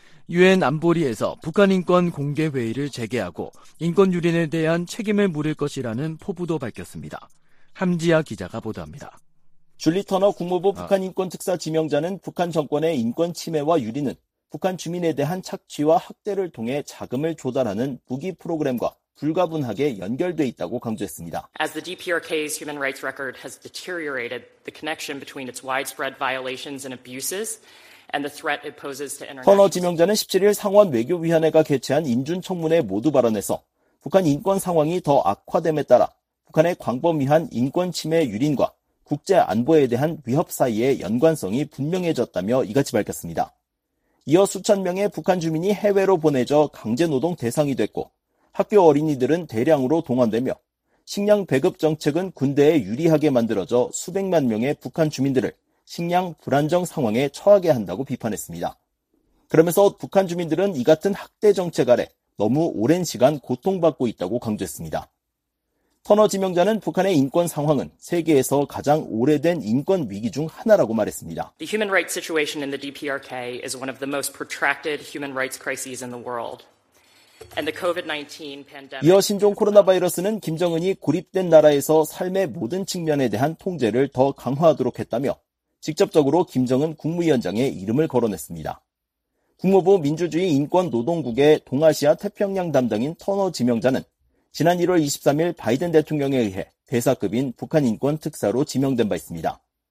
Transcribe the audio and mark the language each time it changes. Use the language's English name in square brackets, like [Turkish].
[Korean] 유엔 안보리에서 북한인권 공개회의를 재개하고 인권 유린에 대한 책임을 물을 것이라는 포부도 밝혔습니다. 함지아 기자가 보도합니다. 줄리 터너 국무부 북한인권특사 지명자는 북한 정권의 인권 침해와 유린은 북한 주민에 대한 착취와 학대를 통해 자금을 조달하는 무기 프로그램과 불가분하게 연결돼 있다고 강조했습니다. [English] As the DPRK's human rights record has deteriorated, the connection between its widespread violations and abuses and the threat it poses to international. [Korean] 터너 지명자는 17일 상원 외교위원회가 개최한 인준청문회 모두 발언해서 북한 인권 상황이 더 악화됨에 따라 북한의 광범위한 인권 침해 유린과 국제 안보에 대한 위협 사이의 연관성이 분명해졌다며 이같이 밝혔습니다. 이어 수천 명의 북한 주민이 해외로 보내져 강제노동 대상이 됐고 학교 어린이들은 대량으로 동원되며 식량 배급 정책은 군대에 유리하게 만들어져 수백만 명의 북한 주민들을 식량 불안정 상황에 처하게 한다고 비판했습니다. 그러면서 북한 주민들은 이 같은 학대 정책 아래 너무 오랜 시간 고통받고 있다고 강조했습니다. 터너 지명자는 북한의 인권 상황은 세계에서 가장 오래된 인권 위기 중 하나라고 말했습니다. [English] The human rights situation in the DPRK is one of the most protracted human rights crises in the world. And the COVID-19 pandemic. [Korean] 이어 신종 코로나 바이러스는 김정은이 고립된 나라에서 삶의 모든 측면에 대한 통제를 더 강화하도록 했다며 직접적으로 김정은 국무위원장의 이름을 거론했습니다. 국무부 민주주의 인권노동국의 동아시아 태평양 담당인 터너 지명자는 지난 1월 23일 바이든 대통령에 의해 대사급인 북한인권특사로 지명된 바 있습니다.